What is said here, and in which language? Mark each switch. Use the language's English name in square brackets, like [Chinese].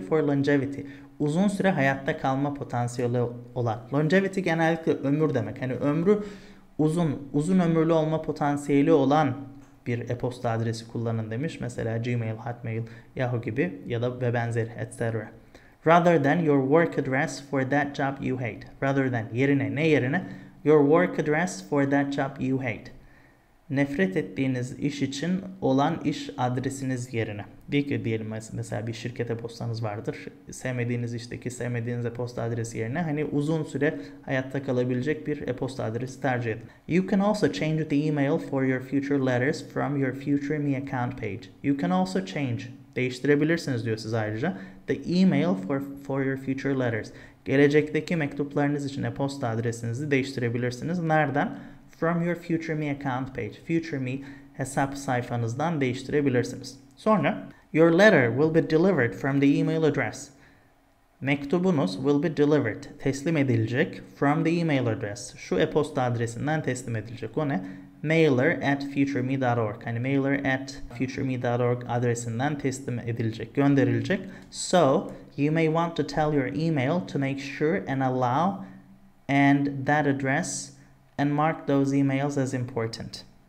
[English] For longevity, [Turkish] uzun süre hayatta kalma potansiyeli olan. Longevity genellikle ömür demek. Hani ömrü uzun, uzun ömürlü olma potansiyeli olan bir e-posta adresi kullanın demiş. Mesela Gmail, Hotmail, Yahoo gibi ya da ve benzeri, etc. [English] Rather than your work address for that job you hate. Rather than, [Turkish] yerine, ne yerine? [English] Your work address for that job you hate. [Turkish] Nefret ettiğiniz iş için olan iş adresiniz yerine. Diyelim mesela bir şirkete postanız vardır. Sevmediğiniz işteki sevmediğiniz e-posta adresi yerine, hani uzun süre hayatta kalabilecek bir e-posta adresi tercih edin. [English] You can also change the email for your future letters from your future me account page. You can also change. [Turkish] Değiştirebilirsiniz diyor siz ayrıca. [English] The email for your future letters. [Turkish] Gelecekteki mektuplarınız için e-posta adresinizi değiştirebilirsiniz. Nereden? [English] From your future me account page. [Turkish] Future me hesap sayfanızdan değiştirebilirsiniz. Sonra, [English] your letter will be delivered from the email address. [Turkish] Mektubunuz [English] will be delivered. [Turkish] Teslim edilecek [English] from the email address. [Turkish] Şu e-posta adresinden teslim edilecek. O ne? mailer@futureme.org. Hani mailer@futureme.org adresinden teslim edilecek, gönderilecek. [English] So, you may want to tell your email to make sure and allow and that address and mark those emails as important.